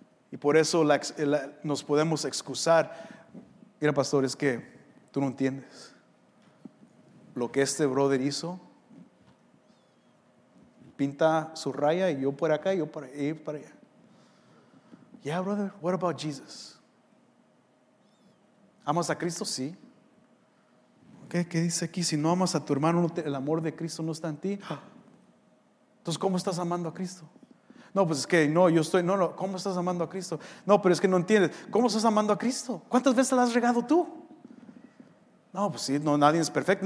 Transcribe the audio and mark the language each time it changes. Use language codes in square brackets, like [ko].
[es] Y por eso nos podemos excusar. Mira, pastor, es que tú no entiendes. Lo que este brother hizo, pinta su raya y yo por acá y yo por ahí, para allá. [en] Yeah, brother, what about Jesus? [es] ¿Amas a Cristo? Sí. ¿Qué dice aquí? Si no amas a tu hermano, el amor de Cristo no está en ti. Entonces, ¿cómo estás amando a Cristo? No, pues es que no, yo estoy, no, no, ¿cómo estás amando a Cristo? No, pero es que no entiendes, ¿cómo estás amando a Cristo? ¿Cuántas veces la has regado tú? No, pues sí, no, nadie es perfecto.